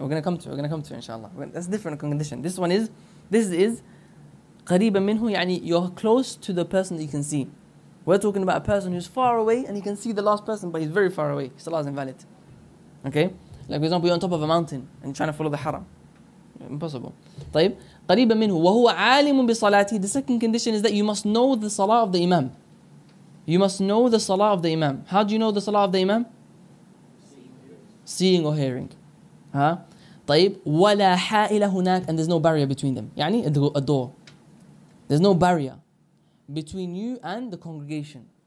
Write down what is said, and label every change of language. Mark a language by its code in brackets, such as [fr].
[en] We're going to come to it, inshallah. That's a different condition. This is qareeba minhu, yani you're close to the person that you can see. We're talking about a person who's far away and he can see the last person, but he's very far away. Salah is invalid. Okay? Like, for example, you're on top of a mountain and you're trying to follow the haram. Impossible. [ar] طيب قريبا منه وهو عالم بصلاته. [en] The second condition is that you must know the salah of the imam. You must know the salah of the imam. How do you know the salah of the imam? Seeing or hearing. Huh? طيب [ar] ولا حائل هناك. [en] And there's no barrier between them. يعني a door. There's no barrier between you and the congregation.